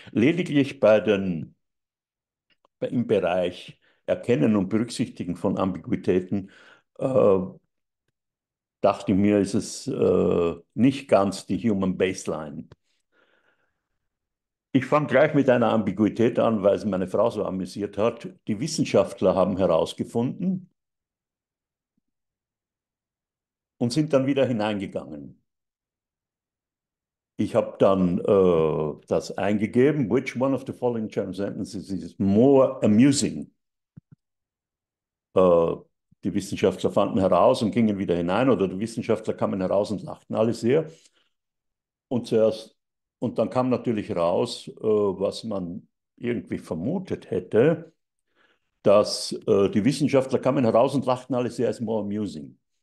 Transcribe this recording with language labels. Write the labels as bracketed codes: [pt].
[de] Lediglich im Bereich Erkennen und Berücksichtigen von Ambiguitäten, dachte ich mir, ist es nicht ganz die Human Baseline. Ich fange gleich mit einer Ambiguität an, weil es meine Frau so amüsiert hat. Die Wissenschaftler haben herausgefunden und sind dann wieder hineingegangen. Ich habe dann das eingegeben. [en] Which one of the following German sentences is more amusing? [de] Die Wissenschaftler fanden heraus und gingen wieder hinein, oder die Wissenschaftler kamen heraus und lachten alle sehr. Und dann kam natürlich raus, was man irgendwie vermutet hätte, dass die Wissenschaftler kamen heraus und lachten alle sehr, ist [en] more amusing.